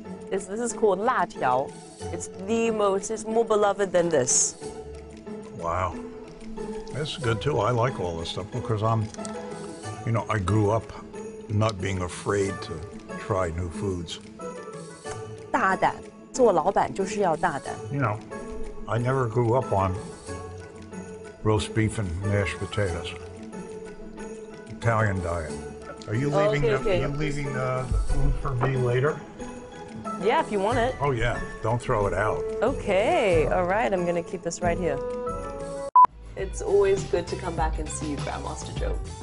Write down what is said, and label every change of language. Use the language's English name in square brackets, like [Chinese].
[English] This is called 辣条. It's the most, it's more beloved than this. Wow. It's good too. I like all this stuff because I'm, you know, I grew up not being afraid to try new foods. [Chinese] 大胆, 做老板就是要大胆. [English] You know, I never grew up on roast beef and mashed potatoes. Italian diet. Are you leaving the food for me later? Yeah, if you want it. Oh yeah, don't throw it out. Okay, all right, I'm gonna keep this right here. It's always good to come back and see you, Grandmaster Joe.